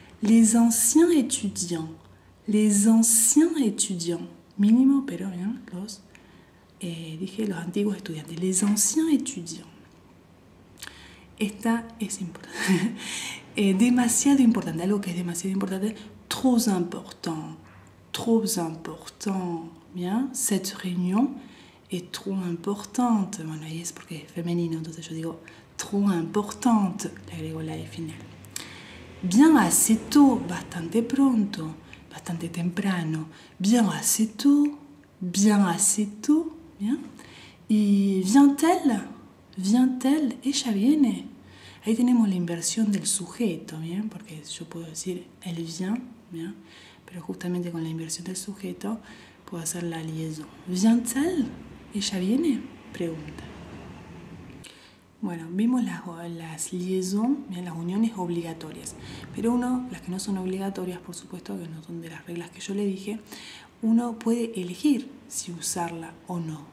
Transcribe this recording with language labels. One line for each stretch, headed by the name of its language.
French: Les anciens étudiants. Les anciens étudiants.
Spanish: Mínimo, pero bien. Los. Dije los antiguos estudiantes.
French: Les anciens étudiants.
Spanish: Esta es importante. demasiado importante. Algo que es demasiado importante.
French: Trop important. Trop important. Bien. Cette réunion est trop importante.
Spanish: Bueno, ahí es porque es femenino. Entonces yo digo
French: trop importante.
Spanish: Le agrego la E final.
French: Bien assez tôt.
Spanish: Bastante pronto. Bastante temprano.
French: Bien assez tôt. Bien assez tôt. Bien. Y vient-elle, vient-elle,
Spanish: ella viene. Ahí tenemos la inversión del sujeto, bien, porque yo puedo decir
French: elle vient,
Spanish: bien, pero justamente con la inversión del sujeto puedo hacer la liaison.
French: Vient-elle,
Spanish: ella viene, pregunta. Bueno, vimos las liaisons, bien, las uniones obligatorias, pero uno, las que no son obligatorias, por supuesto, que no son de las reglas que yo le dije, uno puede elegir si usarla o no.